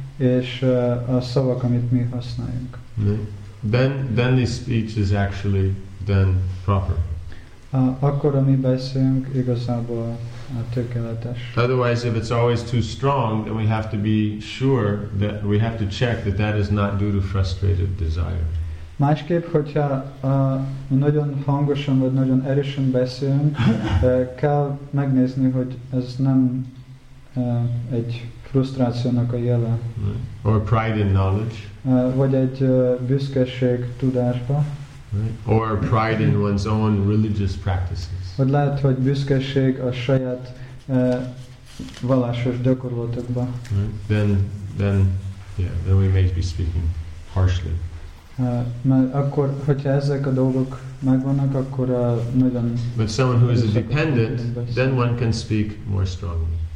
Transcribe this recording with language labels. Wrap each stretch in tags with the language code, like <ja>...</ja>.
<hu>és a szavak, amit mi használjunk.</hu> <en>Then the speech is actually then proper.</en> <hu>Akkor, ami beszélünk, igazából tökéletes.</hu> <en>Otherwise, if it's always too strong, then we have to be sure that we have to check that that is not due to frustrated desire.</en> <hu>Másképp, hogyha nagyon hangosan vagy nagyon erősen beszélünk, kell megnézni, hogy ez nem egy frusztrációnak a jele.</hu> <en>Right. Or pride in knowledge.</en> <hu>Vagy egy büszkeség tudásba.</hu> <en>Right. Or pride in one's own religious practices.</en> <hu>Vagy lehet, hogy büszkeség a saját vallásos gyakorlatokba.</hu> <en>Then we may be speaking harshly.</en> <hu>Mert akkor, hogyha ezek a dolgok megvannak, akkor nagyon...</hu> <en>But someone who is a dependent, then one can speak more strongly.</en>